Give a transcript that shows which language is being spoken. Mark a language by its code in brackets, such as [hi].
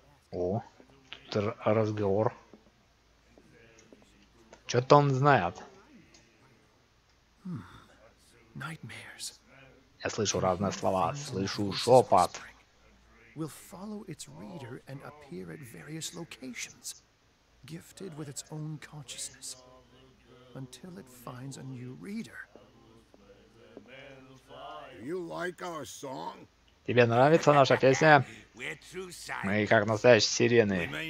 [ru] О, тут разговор. Что-то он знает. Я слышу разные слова, слышу шепот. [en] We'll follow its reader and appear at various locations, gifted with its own consciousness. until it finds a new reader. You like our song? [ru] Тебе нравится наша песня? Мы как настоящие сирены.